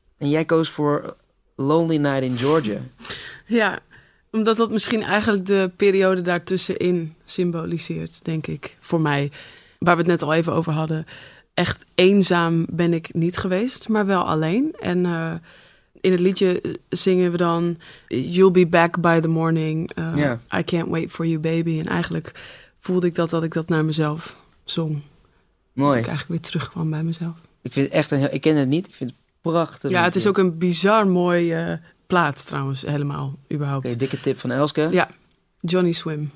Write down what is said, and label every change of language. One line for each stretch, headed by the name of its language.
Dutch: En jij koos voor Lonely Night in Georgia. Ja, omdat dat misschien eigenlijk de periode daartussenin symboliseert, denk ik, voor mij... Waar we het net al even over hadden. Echt eenzaam ben ik niet geweest, maar wel alleen. En in het liedje zingen we dan...
English: You'll be back by the morning. I can't wait for you, baby.
Dutch: En eigenlijk voelde ik dat ik dat naar mezelf zong. Mooi. Dat ik eigenlijk weer terugkwam bij mezelf. Ik vind het echt ik ken het niet. Ik vind het prachtig. Ja, het is ook een bizar mooie plaat trouwens, helemaal, überhaupt. Okay, dikke tip van Elske. Ja. Johnny Swim.